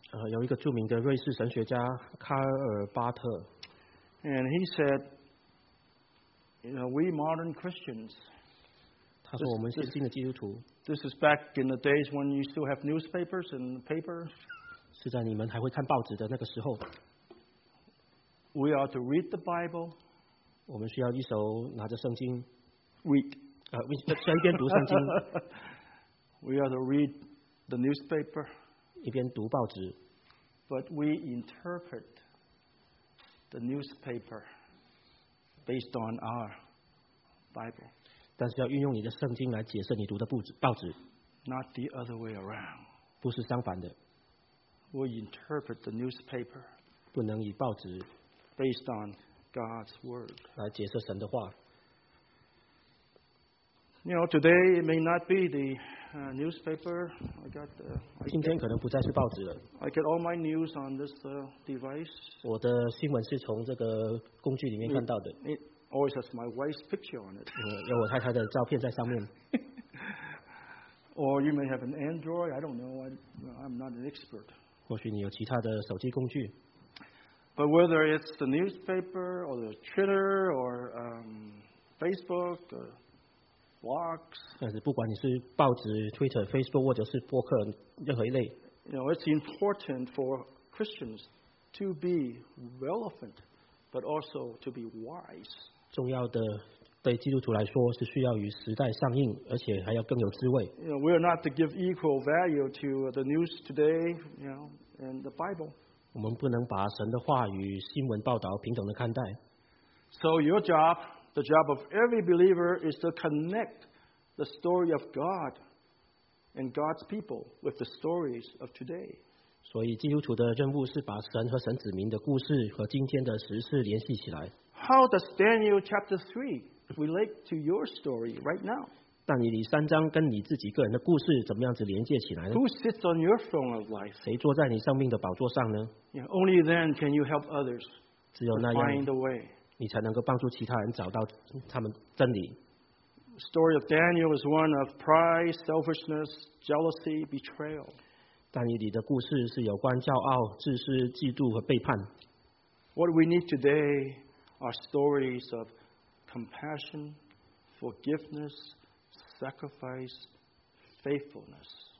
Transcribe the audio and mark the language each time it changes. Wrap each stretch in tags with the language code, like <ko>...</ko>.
<zh>有一个著名的瑞士神学家卡尔巴特。</zh> <en>And he said, "You know, we modern Christians."</en> <zh>他说我们现今的基督徒。</zh> <en>This is back in the days when you still have newspapers and paper.</en> <zh>是在你们还会看报纸的那个时候。</zh> <en>We are to read the Bible.</en> <zh>我们需要一手拿着圣经。</zh> <en>Read.</en> <zh>需要一边读圣经。</zh> <en>We are to read the newspaper.</en> <zh>一边读报纸。</zh> <en>But we interpret the newspaper based on our Bible.</en> <zh>但是要运用你的圣经来解释你读的报纸。</zh> <en>Not the other way around.</en> <zh>不是相反的。</zh> <en>We interpret the newspaper.</en> <zh>不能以报纸。</zh> <en>Based on God's word.</en> <zh>来解释神的话。</zh> <en>You know, today it may not be the newspaper. I got the.</en> <zh>今天可能不再是报纸了。</zh> <en>I get all my news on this device.</en> <zh>我的新闻是从这个工具里面看到的。</zh> <en>It always has my wife's picture on it.</en> <zh>有我太太的照片在上面。</zh> <en>Or you may have an Android. I don't know. I'm not an expert.</en> <zh>或许你有其他的手机工具。</zh> <en>But whether it's the newspaper or the Twitter or Facebook. Or,</en> <zh>但是不管你是报纸、Twitter、Facebook 或者是播客，任何一类。</zh> <en>You know, it's important for Christians to be relevant, but also to be wise.</en> <zh>重要的对基督徒来说是需要与时代相应，而且还要更有智慧。</zh> <en>You know, we are not to give equal value to the news today, you know, and the Bible.</en> <zh>我们不能把神的话与新闻报道平等的看待。</zh> <en>So your job. The job of every believer is to connect the story of God and God's people with the stories of today.</en> <zh>所以基督徒的任务是把神和神子民的故事和今天的时事联系起来。</zh> <en>How does Daniel chapter 3 relate to your story right now?</en> <zh>但以理三章跟你自己个人的故事怎么样子连接起来呢？</zh> <en>Who sits on your throne of life?</en> <zh>谁坐在你生命的宝座上呢？</zh> <en>Only then can you help others to find the way.</en> <zh>你才能够帮助其他人找到他们真理。</zh> <en>Story of Daniel is one of pride, selfishness, jealousy, betrayal.</en> <zh>但以理的故事是有关骄傲、自私、嫉妒和背叛。</zh> <en>What we need today are stories of compassion, forgiveness, sacrifice, faithfulness.</en>